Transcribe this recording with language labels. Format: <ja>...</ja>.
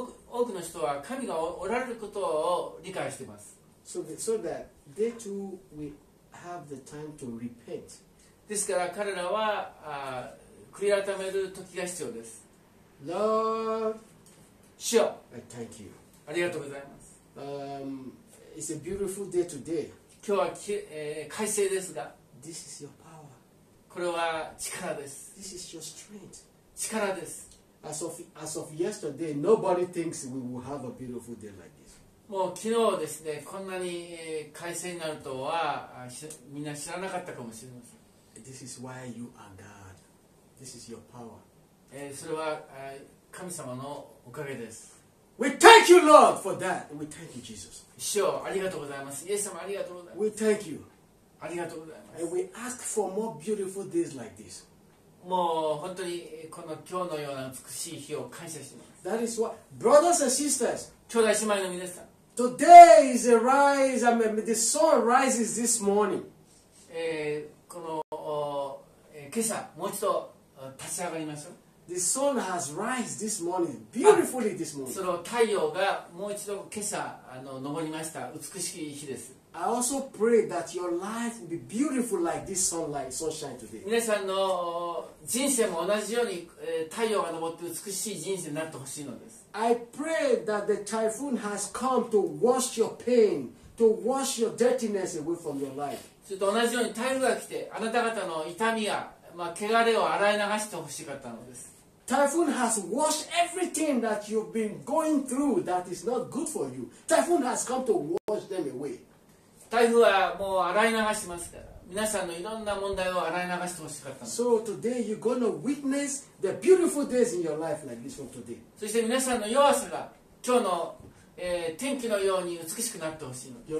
<ja>多くの人は神がおられることを理解しています。</ja> <en>So that they too will have the time to repent.</en> <ja>ですから彼らは悔い改める時が必要です。</ja> <en>Lord,</en> <ja>主よ、</ja> <en>I thank you.</en> <ja>ありがとうございます。</ja> <en>It's a beautiful day today.</en> <ja>今日は快晴ですが、</ja> <en>This is your power.</en> <ja>これは力です。</ja> <en>This is your strength.</en> <ja>力です。</ja> <en>As of yesterday, nobody thinks we will have a beautiful day like this.</en> <ja>もう昨日ですね、こんなに快晴になるとはみんな知らなかったかもしれません。</ja> <en>This is why you are God. This is your power.</en> <ja>それは神様のおかげです。</ja> <en>We thank you, Lord, for that. We thank you, Jesus.</en> <ja>主よ、ありがとうございます。イエス様、ありがとうございます。</ja> <en>We thank you.</en> <ja>ありがとうございます。</ja> <en>And we ask for more beautiful days like this.</en> <ja>もう本当にこの今日のような美しい日を感謝しています。</ja> <en>That is why, brothers and sisters,</en> <ja>兄弟姉妹の皆さん、</ja> <en>Today is a rise. I mean, the sun rises this morning.</en> <ja>この今朝もう一度立ち上がりましょう。</ja> <en>The sun has rise this morning, beautifully this morning.</en> <ja>その太陽がもう一度今朝昇りました。美しい日です。</ja> <en>I also pray that your life will be beautiful like this sunlight, sunshine today.</en> <ja>皆さんの人生も同じように太陽が昇って美しい人生になってほしいのです。</ja> <en>I pray that the typhoon has come to wash your pain, to wash your dirtiness away from your life.</en> <ja>ちょっと同じように台風が来て、あなた方の痛みや、汚れを洗い流してほしかったのです。</ja> <en>Typhoon has washed everything that you've been going through that is not good for you. Typhoon has come to wash them away.</en> <ja>台風はもう洗い流してますから、皆さんのいろんな問題を洗い流してほしかったのです。</ja> <en>So today you're going to witness the beautiful days in your life like this one today.</en> <ja>そして皆さんの弱さが今日の天気のように美しくなってほしいの。</ja>